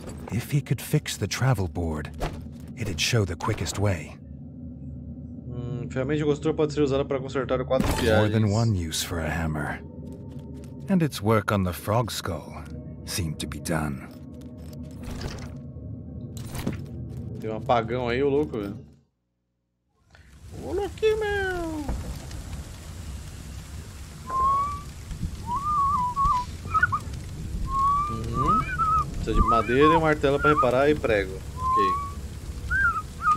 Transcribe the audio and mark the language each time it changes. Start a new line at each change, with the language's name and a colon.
English: If he could fix the travel board, it'd show the quickest way.
Portuguese: Ferramenta de costura pode ser usada para consertar o quadro de viagens.
English: More than one use for a hammer. And its work on the frog skull seemed to be done.
Portuguese: Tem um apagão aí, o louco, velho. Ô, louquinho, meu! Precisa de madeira e um martelo para reparar e prego. Ok.